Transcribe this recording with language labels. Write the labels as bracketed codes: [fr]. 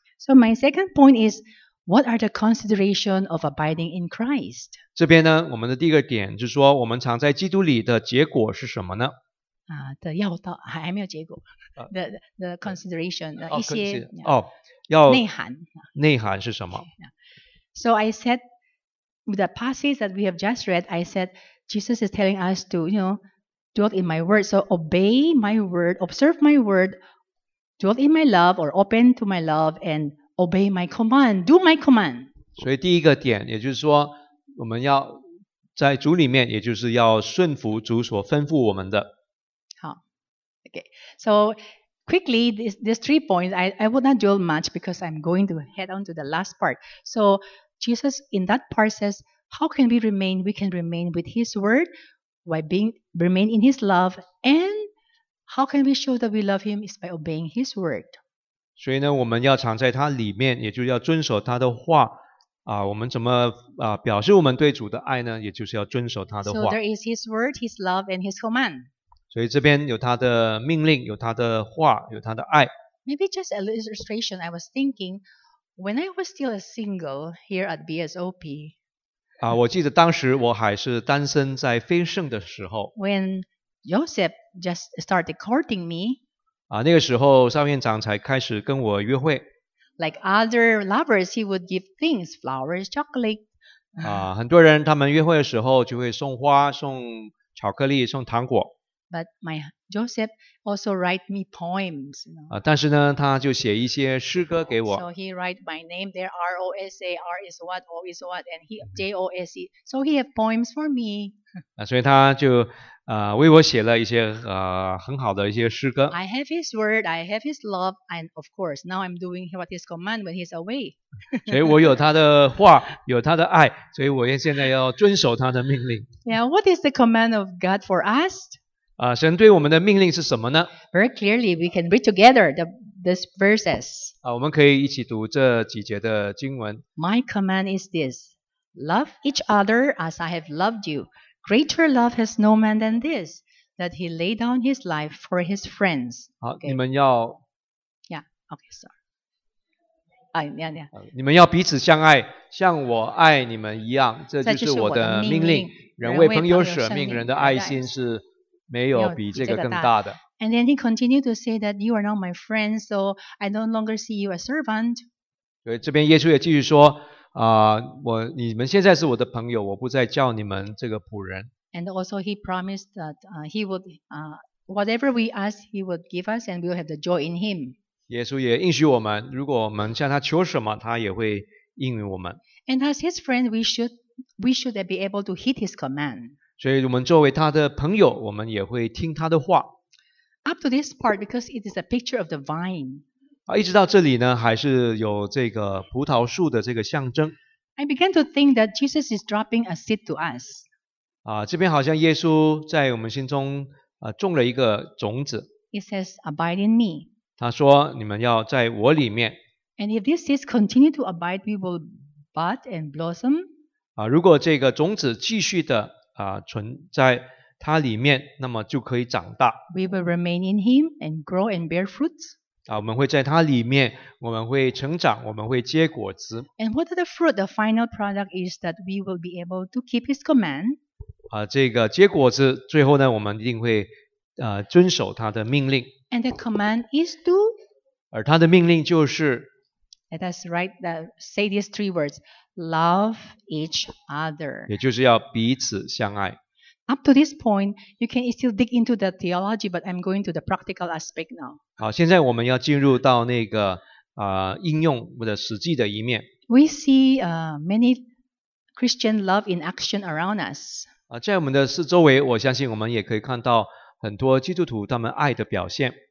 [en] So my second point is, what are the considerations of abiding in Christ? [zh] 这边呢，我们的第一个点就是说，我们常在基督里的结果是什么呢？的要道还没有结果。 [en] The consideration [zh] 的一些要内涵。内涵是什么？ [en] So I said, with the passage that we have just read, I said, Jesus is telling us to, you know, dwell in my word. So obey my word, observe my word, dwell in my love or open to my love and obey my command, do my command. [zh] 所以第一个点也就是说我们要在主里面也就是要顺服主所吩咐我们的。好。 [en] Okay. So,Quickly, these three points, I would not dwell much because I'm going to head on to the last part. So, Jesus in that part says, how can we remain? We can remain with His word, by remain in His love, and how can we show that we love Him is by obeying His word. [zh] 所以呢，我们要常在他里面，也就是要遵守他的话。我们怎么表示我们对主的爱呢？也就是要遵守他的话。 [en] So there is His word, His love, and His command. [zh] 所以这边有他的命令，有他的话，有他的爱。 [en] Maybe just an illustration. I was thinking, when I was still a single here at BSOP. [zh] 我记得当时我还是单身在飞盛的时候。 [en] When Joseph just started courting me. [zh] 那个时候邵院长才开始跟我约会。 [en] Like other lovers, he would give things, flowers, chocolate. [zh] 很多人他们约会的时候就会送花、送巧克力、送糖果。 [en] But my Joseph also write me poems. You know? [zh] 但是呢，他就写一些诗歌给我。 [en] So he write my name there. R O S A R is what, O is what, and he J O S E. So he have poems for me. [zh] 所以他就为我写了一些很好的一些诗歌。 [en] I have his word. I have his love. And of course, now I'm doing what his command when he's away. [zh] 所以我有他的话，有他的爱，所以我现在要遵守他的命令。 [en] Yeah, what is the command of God for us? [zh] 神对我们的命令是什么呢 [en] ？Very clearly, we can read together these verses. [zh] 我们可以一起读这几节的经文。 [en] My command is this: Love each other as I have loved you. Greater love has no man than this, that he lay down his life for his friends. [zh] 好， [en] okay. [zh] 你们要。 [en] Yeah. Okay. Sorry. [zh] 你们要彼此相爱，像我爱你们一样，这就是我的命令。人为朋友舍命，人的爱心是。没有比这个更大的。 [en] And then he continued to say that you are not my friend, so I no longer see you as servant. [zh] 对，这边耶稣也继续说，你们现在是我的朋友，我不再叫你们这个仆人。 [en] And also he promised that he would whatever we ask, he would give us, and we will have the joy in him. [zh] 耶稣也应许我们，如果我们向他求什么，他也会应允我们。 [en] And as his friend, we should be able to heed his command. [zh] 所以我们作为他的朋友，我们也会听他的话。 [en] Up to this part, because it is a picture of the vine. [zh] 一直到这里呢，还是有这个葡萄树的这个象征。 [en] I began to think that Jesus is dropping a seed to us. [zh] 这边好像耶稣在我们心中种了一个种子。 [en] It says, "Abide in me." [zh] 他说：“你们要在我里面。 [en] ”And if these seeds continue to abide, we will bud and blossom. [zh] 如果这个种子继续的存在它里面，那么就可以长大。 [en] We will remain in Him and grow and bear fruits. [zh] 我们会在它里面，我们会成长，我们会结果子。 [en] And what the fruit, the final product is that we will be able to keep His command. [zh] 这个结果子最后呢，我们一定会遵守他的命令。 [en] And the command is to. [zh] 而他的命令就是。 [en] Let us write the say these three words. Love each other. [zh] 也就是要彼此相爱。 [en] Up to this point, you can still dig into the theology, but I'm going to the practical aspect now. [zh] 好，现在我们要进入到那个应用或者实际的一面。 [en] We see many Christian love in action around us. [zh] 在我们的四周围，我相信我们也可以看到很多基督徒他们爱的表现。